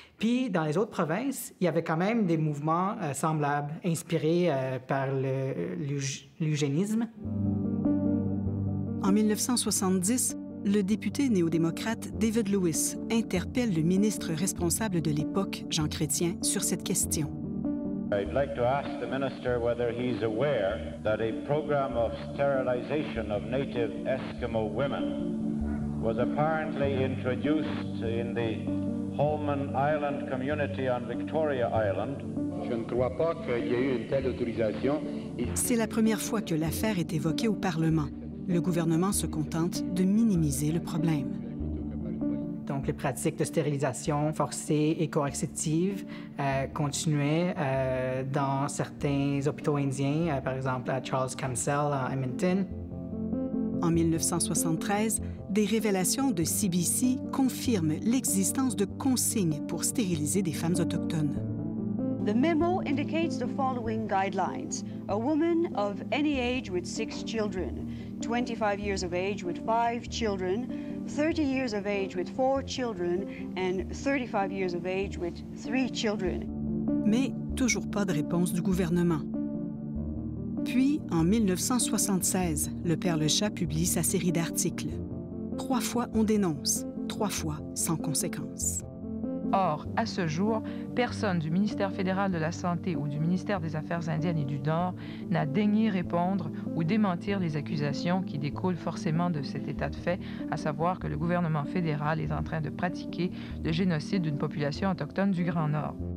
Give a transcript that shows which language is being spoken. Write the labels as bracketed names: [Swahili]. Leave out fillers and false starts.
[French] Puis, dans les autres provinces, il y avait quand même des mouvements semblables, inspirés par l'eugénisme. En 1970, le député néo-démocrate David Lewis interpelle le ministre responsable de l'époque, Jean Chrétien, sur cette question. [English] I'd like to ask the minister whether he's aware that a program of sterilization of native Eskimo women was apparently introduced in the Holman Island community on Victoria Island. [French] Je ne crois pas qu'il y ait eu une telle autorisation. C'est la première fois que l'affaire est évoquée au Parlement. Le gouvernement se contente de minimiser le problème. Donc, les pratiques de stérilisation forcée et coercitive continuaient dans certains hôpitaux indiens, par exemple à Charles Kamsel, à Edmonton. En 1973, des révélations de CBC confirment l'existence de consignes pour stériliser des femmes autochtones. [English] The memo indicates the following guidelines. A woman of any age with 6 children, 25 years of age with 5 children, 30 years of age with 4 children, and 35 years of age with 3 children. [French] Mais toujours pas de réponse du gouvernement. Puis, en 1976, le Père Lechat publie sa série d'articles. 3 fois on dénonce, 3 fois sans conséquence. Or, à ce jour, personne du ministère fédéral de la Santé ou du ministère des Affaires indiennes et du Nord n'a daigné répondre ou démentir les accusations qui découlent forcément de cet état de fait, à savoir que le gouvernement fédéral est en train de pratiquer le génocide d'une population autochtone du Grand Nord.